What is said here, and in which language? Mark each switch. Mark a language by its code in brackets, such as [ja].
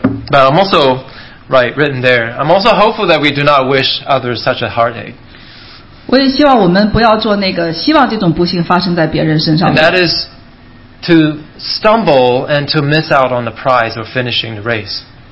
[en] But I'm also right written there. I'm also hopeful that we do not wish others such a heartache. [zh] 我也希望我们不要做那个希望这种不幸发生在别人身上。 [en] And that is to stumble and to miss out on the prize or finishing the race.